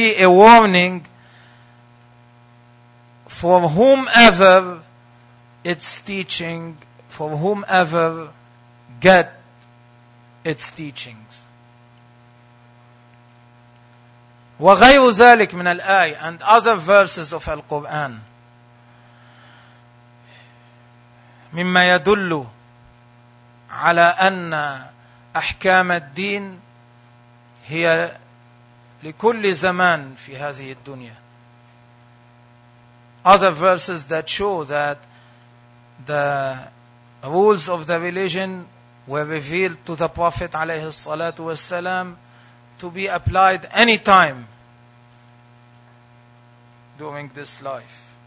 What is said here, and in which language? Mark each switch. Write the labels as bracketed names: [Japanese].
[English] warning for whomever its teaching, for whomever get its teachings. [Arabic] وغير ذلك من الآية, [English] and other verses of Al-Quran, [Arabic] مما يدل على أن أحكام الدين هي لكل زمان في هذه الدنيا. [English] Other verses that show that the rules of the religion were revealed to the Prophet [Arabic] عليه الصلاة والسلام [English] to be applied any time during this life.